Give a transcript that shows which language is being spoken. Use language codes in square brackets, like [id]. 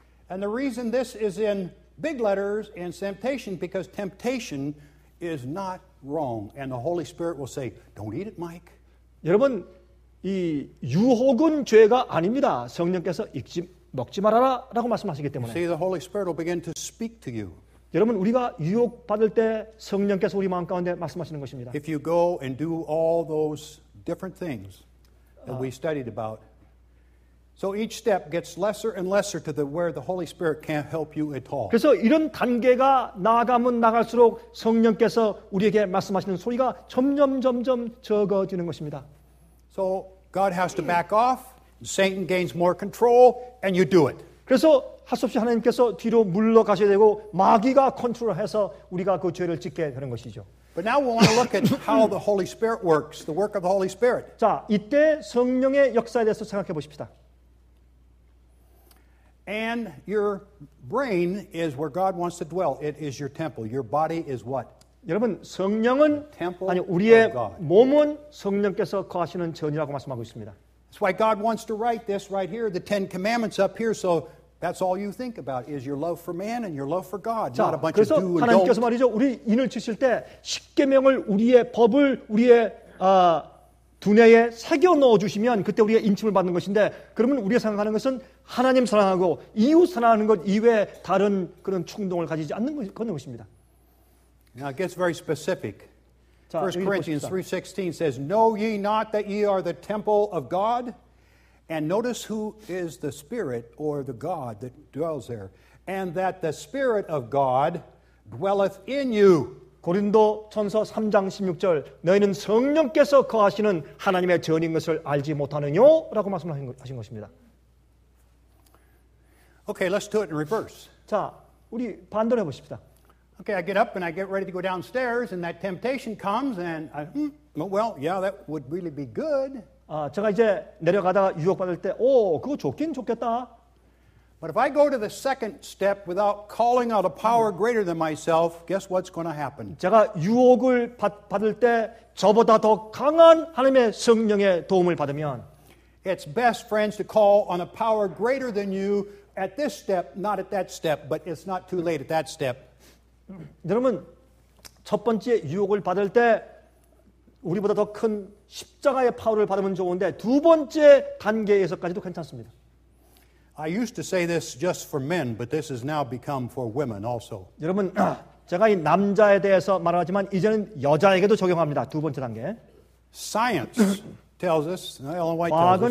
[en] And the reason this is in Big letters and temptation because temptation is not wrong. And the Holy Spirit will say, don't eat it, Mike. [ko] 여러분, 이 유혹은 죄가 아닙니다. 성령께서 읽지, 먹지 말아라 라고 말씀하시기 때문에. [en] See, the Holy Spirit will begin to speak to you. [ko] 여러분, 우리가 유혹받을 때 성령께서 우리 마음 가운데 말씀하시는 것입니다. [en] If you go and do all those different things that we studied about, So each step gets lesser and lesser to the where the Holy Spirit can't help you at all. [ko] 그래서 이런 단계가 나아가면 나갈수록 성령께서 우리에게 말씀하시는 소리가 점점 적어지는 것입니다. [en] So God has to back off, Satan gains more control, and you do it. [ko] 그래서 할 수 없이 하나님께서 뒤로 물러가셔야 되고 마귀가 컨트롤해서 우리가 그 죄를 짓게 되는 것이죠. [en] But now we want to look at how the Holy Spirit works, the work of the Holy Spirit. [ko] 자, 이때 성령의 역사에 대해서 생각해 보십시다. [en] And your brain is where God wants to dwell. It is your temple. Your body is what? [ko] 여러분 성령은 아니 우리의 몸은 성령께서 거하시는 전이라고 말씀하고 있습니다. [en] That's why God wants to write this right here, the Ten Commandments up here. So that's all you think about is your love for man and your love for God, [ko] 자, [en] not a bunch of do and don't. [ko] 하나님께서 말이죠, 우리 인을 치실 때 십계명을 우리의 법을 우리의 두뇌에 새겨 넣어주시면 그때 우리가 인침을 받는 것인데 그러면 우리가 생각하는 것은 하나님 사랑하고 이웃 사랑하는 것 이외에 다른 그런 충동을 가지지 않는 것입니다. [en] Now it gets very specific. 자, 1 Corinthians 3:16 says, Know ye not that ye are the temple of God? And notice who is the spirit or the God that dwells there. And that the spirit of God dwelleth in you. [ko] 고린도 전서 3장 16절 너희는 성령께서 거하시는 하나님의 전인 것을 알지 못하느뇨? 라고 말씀하신 것입니다. [en] Okay, let's do it in reverse. [ko] 자, 우리 반대로 해보십시다. [en] Okay, I get up and I get ready to go downstairs and that temptation comes and I, well, yeah, that would really be good. [ko] 제가 이제 내려가다가 유혹받을 때 오, 그거 좋긴 좋겠다. [en] But if I go to the second step without calling out a power greater than myself, guess what's going to happen? [ko] 제가 유혹을 받을 때 저보다 더 강한 하나님의 성령의 도움을 받으면 [en] It's best, friends, to call on a power greater than you at this step, not at that step, but it's not too late at that step. [ko] 여러분, 첫 번째 유혹을 받을 때 우리보다 더 큰 십자가의 파워를 받으면 좋은데 두 번째 단계에서까지도 괜찮습니다. [en] I used to say this just for men, but this has now become for women also. [ko] 여러분, 제가 이 남자에 대해서 말하지만 이제는 여자에게도 적용합니다. 두 번째 단계. [en] Science tells us, Ellen White tells us.